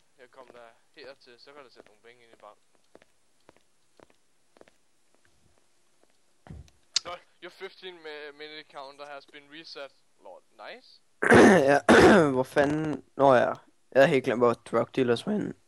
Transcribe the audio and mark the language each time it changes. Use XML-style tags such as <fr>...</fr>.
<da>Kom der her til, så kan du sætte nogle penge ind i banken.</da> <en>Lord, your 15 minute counter has been reset. Lord, nice.</en> <da>Ja, hvor fanden... Nå ja, jeg havde helt glemt, hvor drug dealers var inde.</da>